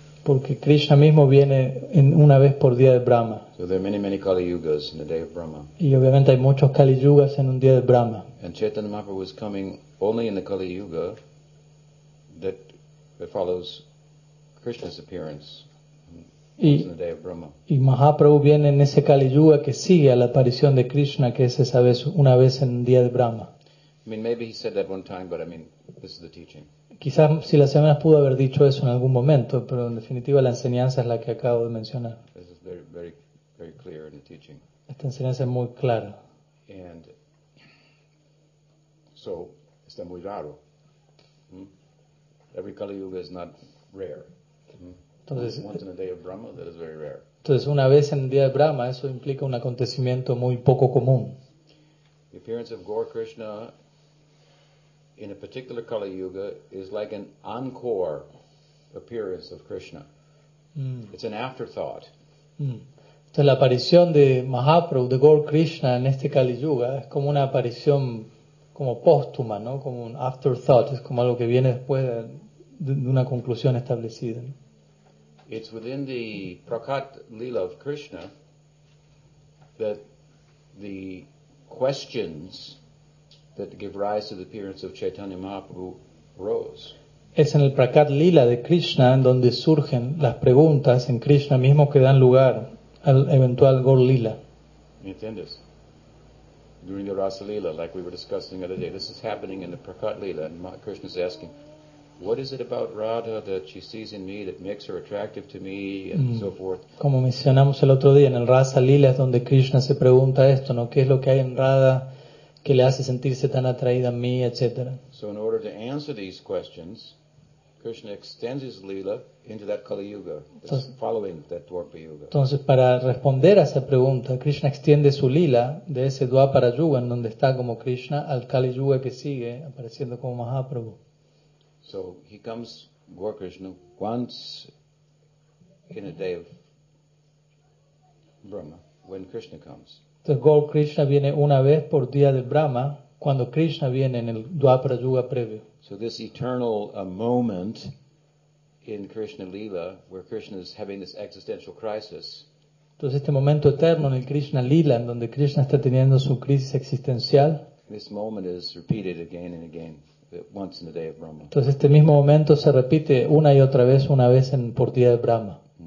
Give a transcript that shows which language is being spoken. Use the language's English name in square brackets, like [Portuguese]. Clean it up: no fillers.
[Spanish] Porque Krishna mismo viene en una vez por día de Brahma. [English] So there are many, many Kali Yugas in the day of Brahma. [Spanish] Y obviamente hay muchos Kali Yugas en un día de Brahma. [English] And Chaitanya Mahaprabhu was coming only in the Kali Yuga that follows Krishna's appearance in the day of Brahma. [Spanish] Y Mahaprabhu viene en ese Kali Yuga que sigue a la aparición de Krishna, que es esa vez, una vez en el día de Brahma. [English] I mean, maybe he said that one time, but I mean, this is the teaching. [Spanish] Quizás si las semanas pudo haber dicho eso en algún momento, pero en definitiva la enseñanza es la que acabo de mencionar. [English] This is very, very, very clear in the teaching. [Spanish] Esta enseñanza es muy clara. [English] And So, [Spanish] está muy raro. [English] Every Kali Yuga is not rare. [Spanish] Entonces, [English] once in a day of Brahma, that is very rare. [Spanish] Entonces, una vez en el día de Brahma, eso implica un acontecimiento muy poco común. [English] The appearance of Gaur Krishna in a particular Kali Yuga is like an encore appearance of Krishna. It's an afterthought. [Spanish] Entonces, la aparición de Mahaprabhu, de Gaur Krishna, en este Kali Yuga, es como una aparición como póstuma, ¿no? Como un afterthought, es como algo que viene después de una conclusión establecida, ¿no? [English] It's within the Prakat Lila of Krishna that the questions that give rise to the appearance of Chaitanya Mahaprabhu rose. [Spanish] Es en el Prakat Lila de Krishna en donde surgen las preguntas en Krishna mismo que dan lugar al eventual Gaur Lila. ¿Entiendes? [English] During the Rasa Lila, like we were discussing the other day, this is happening in the Prakat Lila, and Krishna is asking, what is it about Radha that she sees in me that makes her attractive to me, and so forth? [Spanish] Como mencionamos el otro día, en el Rasa Lila es donde Krishna se pregunta esto, ¿no? ¿Qué es lo que hay en Radha que le hace sentirse tan atraída a mí, etcétera? [English] So in order to answer these questions, Krishna extends his Lila into that Kali Yuga, that's following that Dwapara Yuga. [Spanish] Entonces, para responder a esa pregunta, Krishna extiende su Lila de ese Dwapara Yuga, en donde está como Krishna, al Kali Yuga que sigue, apareciendo como Mahaprabhu. [English] So he comes, Gaur Krishna, once in a day of Brahma, when Krishna comes. [Spanish] The Gaur Krishna viene una vez por día del Brahma, cuando Krishna viene en el Dwapara Yuga previo. [English] So this eternal moment in Krishna Lila, where Krishna is having this existential crisis. [Spanish] Entonces este momento eterno en el Krishna Lila, en donde Krishna está teniendo su crisis existencial. [English] This moment is repeated again and again. Once in the day of Brahma. [Spanish] Entonces este mismo momento se repite una y otra vez, una vez en por día de Brahma.